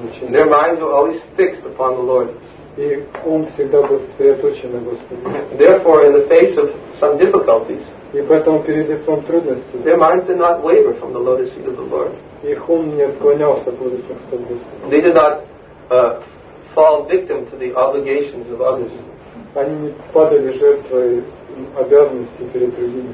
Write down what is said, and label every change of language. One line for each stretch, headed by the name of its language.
English: Their minds were always fixed upon the Lord.
Russian: И он всегда был сосредоточен на Господе.
English: Therefore, in the face of some difficulties,
Russian: и поэтому перед лицом трудностей,
English: their minds did not waver from the lotus feet of the Lord.
Russian: Их ум не отклонялся от лотосных стоп Господа.
English: They did not fall victim to the obligations of others.
Russian: Они не падали жертвой обязанностей перед другими.